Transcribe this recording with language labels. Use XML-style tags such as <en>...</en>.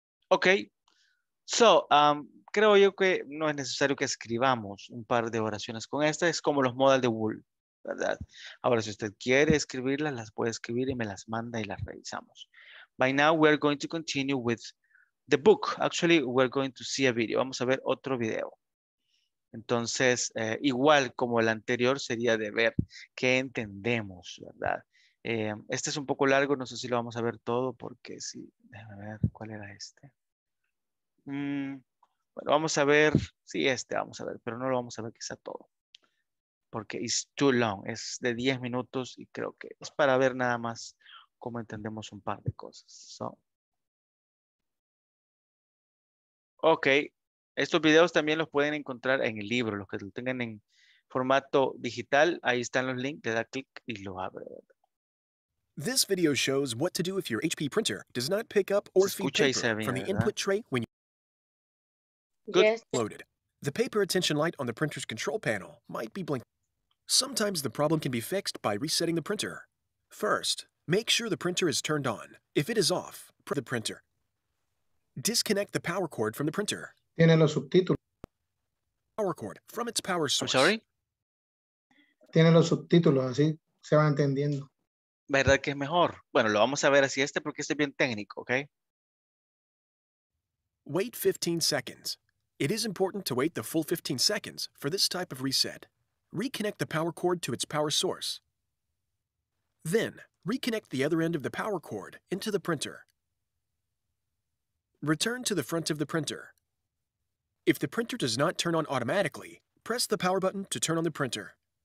<es>Okay. So, creo yo que no es necesario que escribamos un par de oraciones con esta. Es como los modales de Wool, ¿verdad? Ahora, si usted quiere escribirlas, las puede escribir y me las manda y las revisamos.</es> <en>By now, we are going to continue with the book. Actually, we are going to see a video.</en> <es>Vamos a ver otro video. Entonces, igual como el anterior, sería de ver qué entendemos, ¿verdad? Este es un poco largo. No sé si lo vamos a ver todo porque sí. Déjame ver cuál era este. Bueno, vamos a ver, sí, este vamos a ver, pero no lo vamos a ver quizá todo, porque</es> <en>it's too long,</en> <es>es de 10 minutos y creo que es para ver nada más cómo entendemos un par de cosas. So. Ok, estos videos también los pueden encontrar en el libro, los que lo tengan en formato digital, ahí están los links, le da clic y lo abre.</es> <en>This video shows what to do if your HP printer does not pick up or feed paper from the input tray when you... Good. Yes. Loaded. The paper attention light on the printer's control panel might be blinking. Sometimes the problem can be fixed by resetting the printer. First, make sure the printer is turned on. If it is off, press the printer. Disconnect the power cord from the printer.</en> <es>Tiene los subtítulos.</es> <en>Power cord from its power source. I'm sorry?</en> <es>Tiene los subtítulos, así se va entendiendo. ¿Verdad que es mejor? Bueno, lo vamos a ver así este porque este es bien técnico, ¿ok?</es> <en>Wait 15 seconds. It is important to wait the full 15 seconds for this type of reset. Reconnect the power cord to its power source. Then, reconnect the other end of the power cord into the printer. Return to the front of the printer. If the printer does not turn on automatically, press the power button to turn on the printer.</en>